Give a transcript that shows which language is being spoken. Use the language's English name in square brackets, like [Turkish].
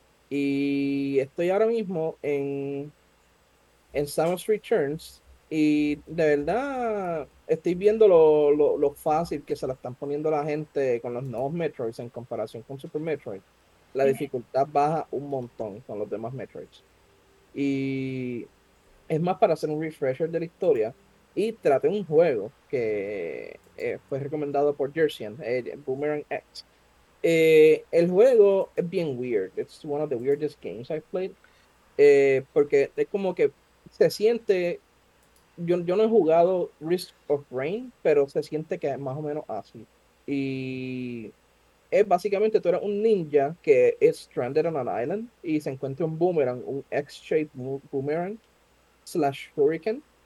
[Spanish] Y estoy ahora mismo en Samus Returns, y de verdad estoy viendo lo fácil que se la están poniendo la gente con los nuevos Metroids en comparación con Super Metroid. La dificultad baja un montón con los demás Metroids. Y es más, para hacer un refresher de la historia, Y traté un juego que fue recomendado por Jersian, Boomerang X. El juego es bien weird. [English] It's one of the weirdest games I've played. [Spanish] Porque es como que se siente. Yo no he jugado Risk of Rain, pero se siente que es más o menos así. Y es básicamente tú eres un ninja que es [English] stranded on an island [Spanish] y se encuentra un boomerang, un [English] X-shaped boomerang slash hurricane.